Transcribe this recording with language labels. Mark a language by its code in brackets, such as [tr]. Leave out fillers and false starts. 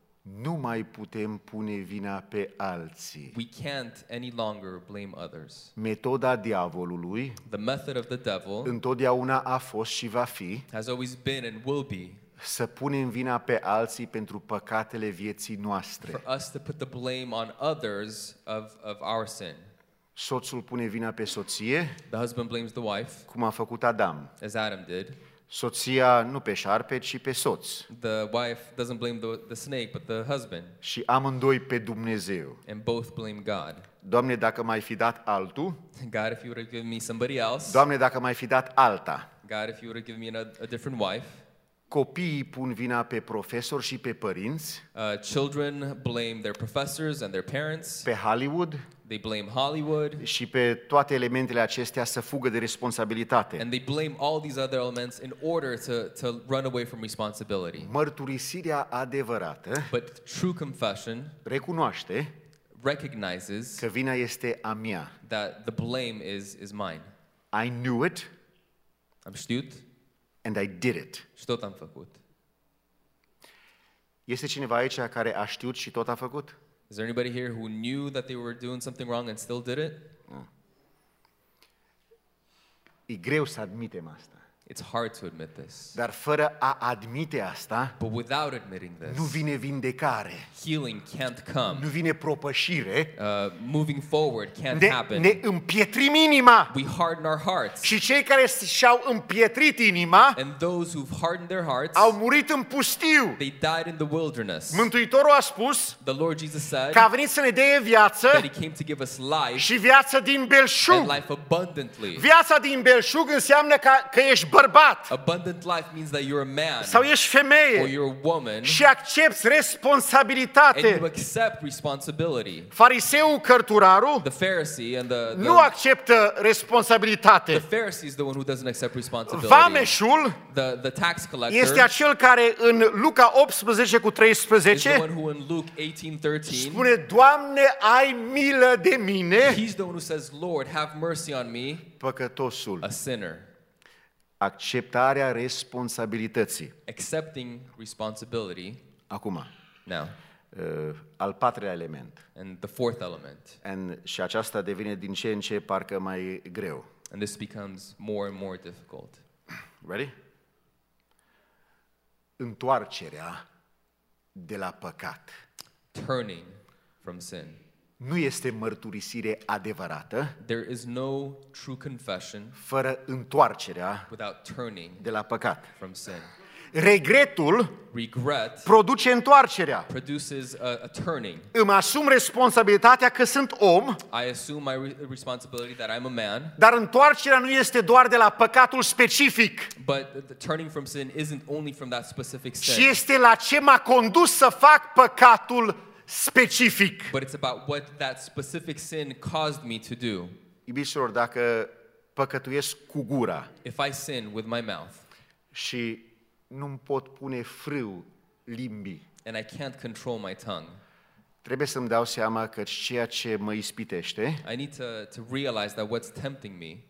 [ro] Nu mai putem pune vina pe alții. [en] We can't any longer blame others. [ro] Metoda diavolului, [en] the method of the devil, [ro] întotdeauna a fost și va fi, [en] has always been and will be, [ro] să punem vina pe alții pentru păcatele vieții noastre. [en] For us to put the blame on others of our sin. [ro] Soțul pune vina pe soție. [en] The husband blames the wife. [ro] Cum a făcut Adam. [en] As Adam did. [ro] Soția nu pe șarpe, ci pe soț. [en] The wife doesn't blame the snake, but the husband. [ro] Și amândoi pe Dumnezeu. [en] And both blame God. [ro] Doamne, dacă m-ai fi dat altul. [en] God, if you would have given me somebody else. [ro] Doamne, dacă m-ai fi dat alta. [en] God, if you would have given me a different wife. [ro] Copiii pun vina pe profesor și pe părinți. [en] Children blame their professors and their parents. [ro] Pe Hollywood. [en] They blame Hollywood. [ro] Și pe toate elementele acestea să fugă de responsabilitate. [en] And they blame all these other elements in order to run away from responsibility. [ro] Mărturisirea adevărată. [en] But true confession. [ro] Recunoaște. [en] Recognizes. [ro] Că vina este a mea. [en] That the blame is mine. I knew it. [ro] Am știut. [en] And I did it. [ro] Și tot am făcut. Este cineva aici care a știut și tot a făcut? [en] Is there anybody here who knew that they were doing something wrong and still did it? [ro] E greu să admitem asta. [en] It's hard to admit this. [ro] Dar fără a admite asta, [en] but without admitting this, [ro] nu vine vindecare. [en] Healing can't come. [ro] Nu vine propășire. [en] Moving forward can't happen. [ro] Ne împietrim inima. [en] We harden our hearts. [ro] Și cei care și-au împietrit inima, [en] and those who've hardened their hearts, [ro] au murit în pustiu. [en] They died in the wilderness. [ro] Mântuitorul a spus, [en] the Lord Jesus said, [ro] că a venit să ne dea viață, [en] that he came to give us life, [ro] și viață din belșug. [en] And life abundantly. [ro] Viața din belșug înseamnă că ești bărbat. [en] Abundant life means that you're a man. [ro] Sau ești femeie. [en] Or you're a woman. [ro] Și accepți responsabilitate. [en] And you accept responsibility. [ro] Fariseul cărturarul. [en] The Pharisee and the [ro] nu acceptă responsabilitate. [en] The Pharisee is the one who doesn't accept responsibility. [ro] Vameșul. [en] The tax collector. [ro] Este acel care în Luca 18:13. [en] Is the one who in Luke 18:13. [ro] Spune, Doamne, ai milă de mine. [en] He's the one who says, Lord, have mercy on me. [ro] Păcătosul. [en] A sinner. [ro] Acceptarea responsabilității. [en] Accepting responsibility. [ro] Acum. [en] Now. [ro] Al patrulea element. [en] And the fourth element. [ro] And și aceasta devine din ce în ce parcă mai greu. [en] And this becomes more and more difficult. Ready? [ro] Întoarcerea de la păcat. [en] Turning from sin. [ro] Nu este mărturisire adevărată. [en] There is no true confession [ro] fără întoarcerea [en] without turning [ro] de la păcat. [en] From sin. [ro] Regretul [en] regret [ro] produce întoarcerea. [en] Produces a turning. [ro] Îmi asum responsabilitatea că sunt om. [en] I assume my responsibility that I'm a man. [ro] Dar întoarcerea nu este doar de la păcatul specific. [en] But the turning from sin isn't only from that specific sin. [ro] Ci este la ce m-a condus să fac păcatul specific. [en] But it's about what that specific sin caused me to do. [ro] Iubiților, dacă păcătuiesc cu gura, [en] if I sin with my mouth, [ro] și nu-mi pot pune frâu limbii, [en] and I can't control my tongue, [ro] trebuie să-mi dau seama că ceea ce mă ispitește, [en] I need to realize that what's tempting me,